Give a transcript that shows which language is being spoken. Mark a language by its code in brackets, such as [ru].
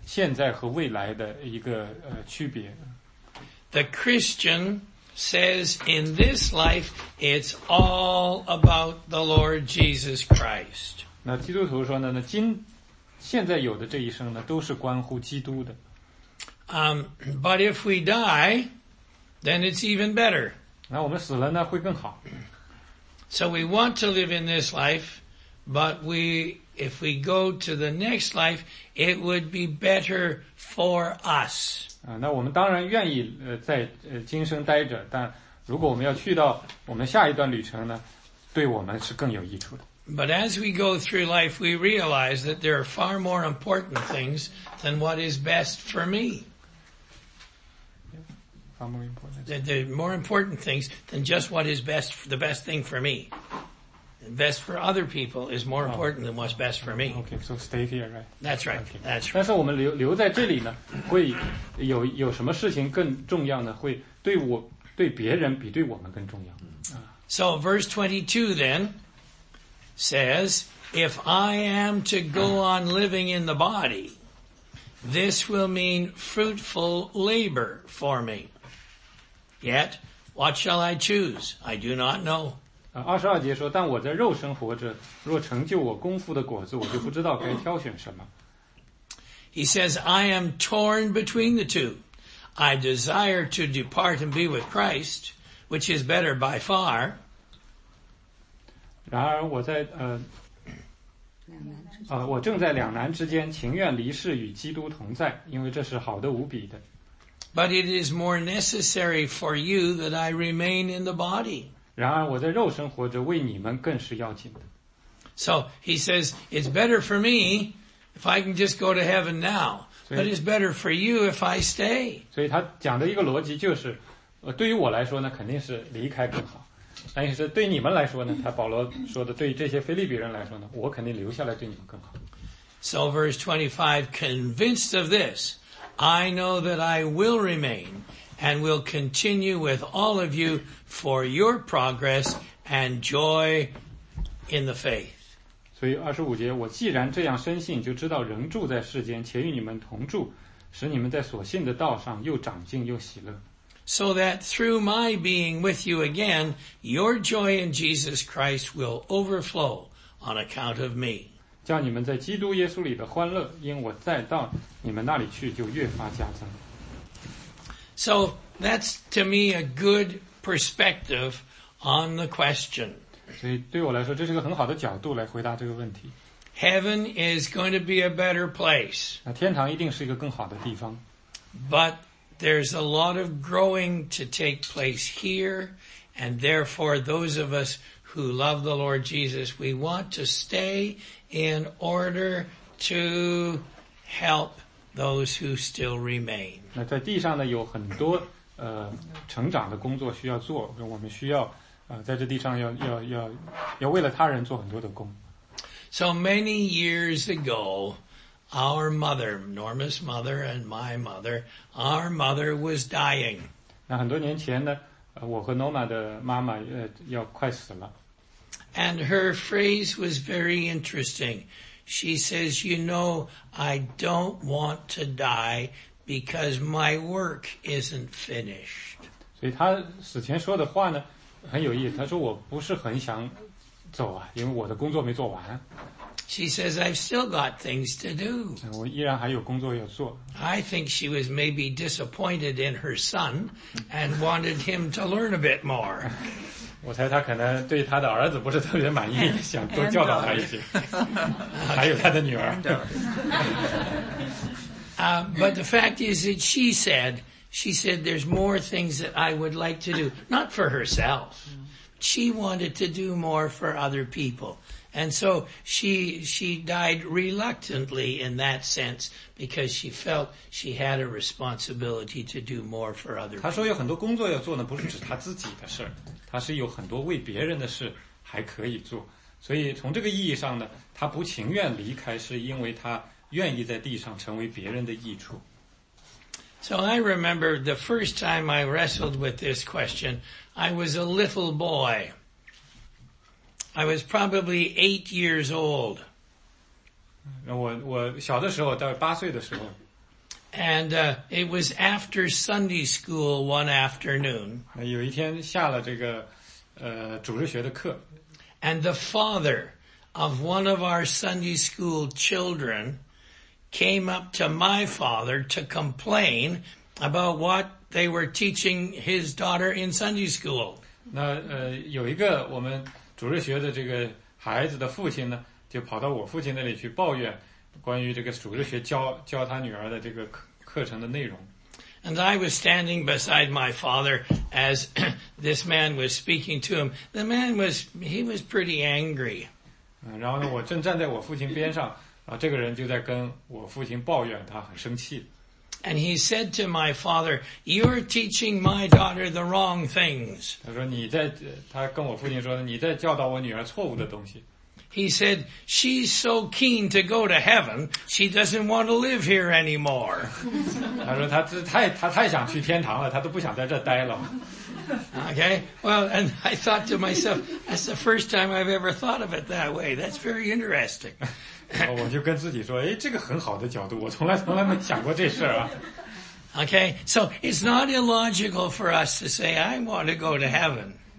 [zh] 所以这个基本上讲明了现在和未来的一个区别。 [en] The Christian says in this life, it's all about the Lord Jesus Christ. [zh] 那基督徒说呢,现在有的这一生呢,都是关乎基督的。 [en] But if we die, then it's even better. [zh] 那我们死了呢,会更好。 [en] So we want to live in this life, but if we go to the next life, it would be better for us. [zh] 那我们当然愿意在今生待着,但如果我们要去到我们下一段旅程呢,对我们是更有益处的。 [en] But as we go through life, we realize that there are far more important things than what is best for me. are more important. The more important things than just what is best, the best thing for me. Best for other people is more important than what's best for me. Okay, so stay here, right? That's right. Okay. That's right. [zh] 但是我们留在这里呢，会有什么事情更重要呢？会对我对别人比对我们更重要。 [en] So verse 22 then says, if I am to go on living in the body, this will mean fruitful labor for me. Yet, what shall I choose? I do not know. [zh] 22节说，但我在肉身活着，若成就我功夫的果子，我就不知道该挑选什么。 [en] He says, I am torn between the two. I desire to depart and be with Christ, which is better by far. [zh] 然而我在我正在两难之间，情愿离世与基督同在，因为这是好的无比的。 [en] But it is more necessary for you that I remain in the body. [zh] 然而我在肉身活着，为你们更是要紧的。 [en] So he says, it's better for me if I can just go to heaven now, but it's better for you if I stay. [zh] 所以他讲的一个逻辑就是，对于我来说呢，肯定是离开更好。但是对你们来说呢，他保罗说的，对这些腓立比人来说呢，我肯定留下来对你们更好。 [en] So verse 25, convinced of this, I know that I will remain and will continue with all of you for your progress and joy in the faith. [zh] 所以25节，我既然这样深信，就知道仍住在世间，且与你们同住，使你们在所信的道上又长进又喜乐。 [en] So that through my being with you again, your joy in Jesus Christ will overflow on account of me. [zh] 叫你们在基督耶稣里的欢乐，因我再到你们那里去就越发加增。 [en] So that's to me a good perspective on the question. [zh] 所以对我来说，这是个很好的角度来回答这个问题。 [en] Heaven is going to be a better place. [zh] 那天堂一定是一个更好的地方。 [en] ButThere's a lot of growing to take place here, and therefore those of us who love the Lord Jesus, we want to stay in order to help those who still remain. [zh] 那在地上呢，有很多成长的工作需要做，我们需要在这地上要为了他人做很多的工。 [en] So many years ago,Our mother, Norma's mother and my mother, our mother was dying. [zh] 那很多年前呢，我和 Norma 的妈妈要快死了。 [en] And her phrase was very interesting. She says, you know, I don't want to die because my work isn't finished. [zh] 所以她死前说的话呢，很有意思。她说我不是很想走啊，因为我的工作没做完。 [en] She says, I've still got things to do. [zh] 我依然还有工作要做。 [en] I think she was maybe disappointed in her son and wanted him to learn a bit more. [zh] 我猜她可能对她的儿子不是特别满意，想多教导他一些。还有她的女儿。 [en] But the fact is that she said, there's more things that I would like to do. Not for herself. She wanted to do more for other people. And so she died reluctantly in that sense because she felt she had a responsibility to do more for other people. [zh] 她说有很多工作要做呢，不是指她自己的事，她是有很多为别人的事还可以做。所以从这个意义上呢，她不情愿离开，是因为她愿意在地上成为别人的益处。 [en] So I remember the first time I wrestled with this question, I was a little boy. I was probably 8 years old. [zh] 我小的时候，大概八岁的时候。 [en] And, it was after Sunday school one afternoon. [zh] 有一天下了这个主日学的课。 [en] And the father of one of our Sunday school children came up to my father to complain about what they were teaching his daughter in Sunday school. [zh] 那有一个我们主日学的这个孩子的父亲呢，就跑到我父亲那里去抱怨关于这个主日学教他女儿的这个课程的内容。 [en] And I was standing beside my father as this man was speaking to him. The man was, he was pretty angry. [zh] 然后呢，我正站在我父亲边上，然后这个人就在跟我父亲抱怨，他很生气。 [en] And he said to my father, you're teaching my daughter the wrong things. [zh] 他跟我父亲说，你在教导我女儿错误的东西。 [en] He said, she's so keen to go to heaven, she doesn't want to live here anymore. [zh] 他说他太想去天堂了，他都不想在这待了。 [en] Okay, well, and I thought to myself, that's the first time I've ever thought of it that way. That's very interesting. [zh] 我就跟自己说，哎，这个很好的角度，我从来没想过这事啊。 [en] Okay, so it's not illogical for us to say, I want to go to heaven.